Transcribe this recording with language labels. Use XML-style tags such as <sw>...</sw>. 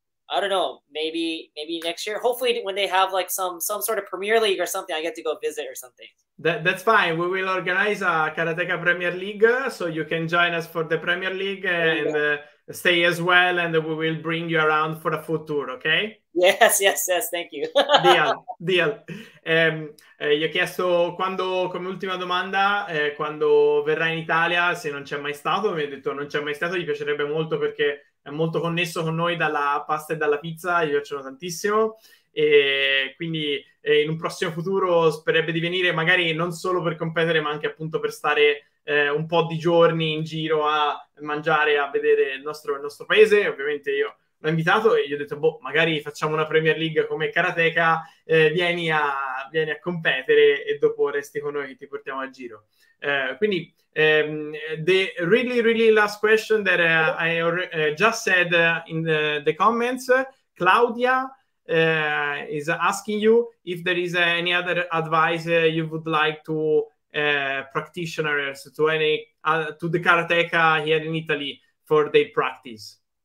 <en>I don't know, maybe next year. Hopefully when they have like some sort of Premier League or something, I get to go visit or something. That's fine. We will organize a Karateka Premier League so you can join us for the Premier League There you and go. stay as well. And we will bring you around for a food tour, okay? Yes, thank you. Deal, deal.</en> <it>Gli ho chiesto quando, come ultima domanda, quando verrà in Italia, se non c'è mai stato, mi ha detto non c'è mai stato, gli piacerebbe molto perché è molto connesso con noi dalla pasta e dalla pizza, gli piacciono tantissimo. E quindi in un prossimo futuro spererebbe di venire magari non solo per competere, ma anche appunto per stare un po' di giorni in giro a mangiare, a vedere il nostro paese. Ovviamente io l'ho invitato e gli ho detto: boh, magari facciamo una Premier League come Karateka, vieni a competere e dopo resti con noi e ti portiamo a giro.</it> <en>Quindi, the really, really last question that I just said in the comments, Claudia. Is asking you if there is any other advice you would like to practitioners to any to the karateka here in Italy for their practice.</en>